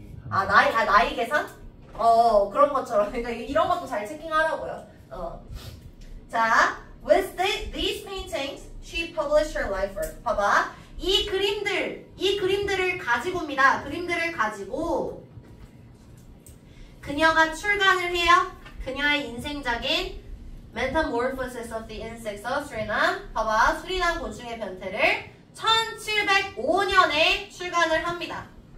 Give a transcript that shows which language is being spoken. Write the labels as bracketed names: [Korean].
[Korean] 아, 나이, 아, 나이 계산? 어, 그런 것처럼. 그러니까 이런 것도 잘 체킹하라고요. 어. [English] 자, with these paintings, she published her life work. [Korean] 봐봐. 이 그림들, 이 그림들을 가지고입니다. 그림들을 가지고, 그녀가 출간을 해요. 그녀의 인생작인 Metamorphosis of the Insects of Suriname. 봐봐. 수리남 곤충의 변태를 1705년에 출간을 합니다.